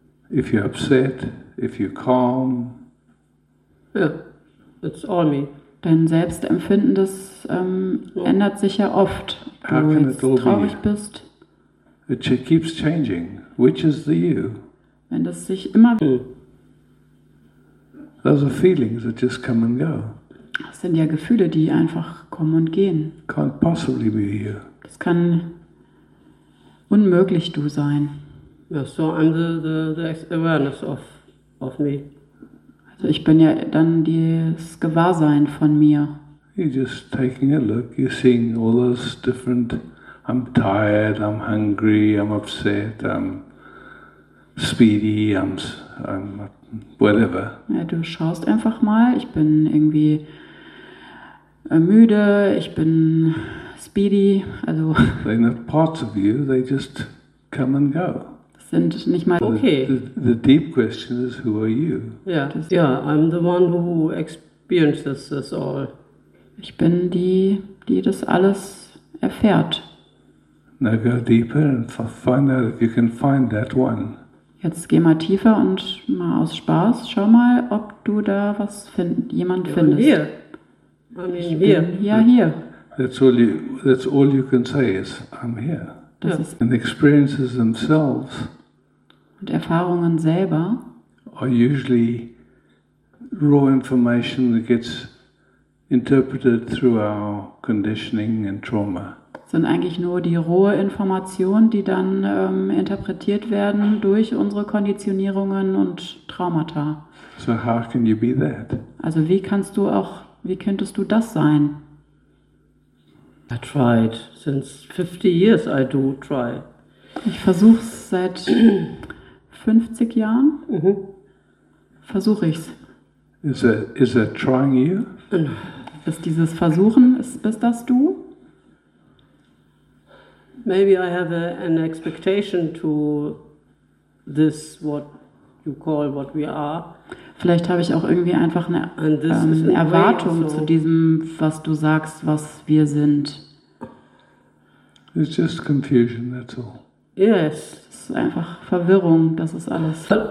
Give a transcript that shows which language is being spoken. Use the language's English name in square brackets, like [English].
[English] If you're upset, if you're calm. Yeah, it's all me. [German] Dein Selbstempfinden, das ändert sich ja oft. [English] How [German] wenn du traurig bist. [English] It keeps changing. Which is the you? [German] Wenn das sich immer [English] Those are feelings that just come and go. [German] Das sind ja Gefühle, die einfach kommen und gehen. [English] Can't possibly be you. [German] Das kann unmöglich du sein. [English] Yeah, so I'm the awareness of me. [German] Also ich bin ja dann das Gewahrsein von mir. [English] You're just taking a look. You're seeing all those different. I'm tired, I'm hungry, I'm upset, I'm speedy, I'm whatever. [German] Ja, du schaust einfach mal, ich bin irgendwie müde, ich bin speedy, also. [English] They're not parts of you, they just come and go. [German] Sind nicht mal [English] okay. The deep question is, who are you? Yeah, I'm the one who experiences this all. [German] Ich bin die, die das alles erfährt. [English] Now go deeper and find out if you can find that one. [German] Jetzt geh mal tiefer und mal aus Spaß, schau mal, ob du da was jemand findest. [English] Here. I mean, here. [German] Ja, hier. [English] That's all you can say is, I'm here. And experiences themselves. [German] Und Erfahrungen selber. [English] Are usually raw information that gets interpreted through our conditioning and trauma. [German] Sind eigentlich nur die rohe Information, die dann interpretiert werden durch unsere Konditionierungen und Traumata. [English] So how can you be that? [German] Also wie könntest du das sein? [English] I tried since 50 years I do try. [German] Ich versuch's seit 50 Jahren. Mm-hmm. Versuche ich's. [English] Is it trying you? [German] Ist dieses Versuchen, bist das du? [English] Maybe I have an expectation to this, what you call what we are. [German] Vielleicht habe ich auch irgendwie einfach eine Erwartung zu diesem, was du sagst, was wir sind. [English] It's just confusion, that's all. Yes. [German] Es ist einfach Verwirrung, das ist alles.